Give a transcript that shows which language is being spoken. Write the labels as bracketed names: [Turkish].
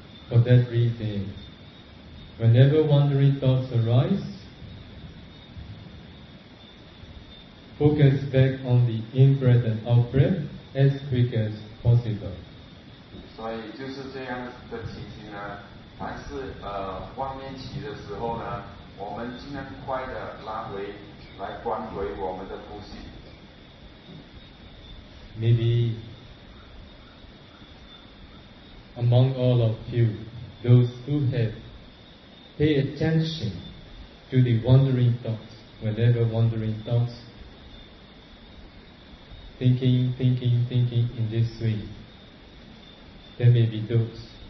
[English] For that reason, whenever wandering thoughts arise, focus back on the in-breath and out-breath as quick as possible. [Chinese] 所以就是这样的情形呢，凡是妄念起的时候呢，我们尽量快的拉回来观回我们的呼吸。 [English] Maybe among all of you, those who have paid attention to the wandering thoughts, whenever wandering thoughts, thinking in this way, there may be those.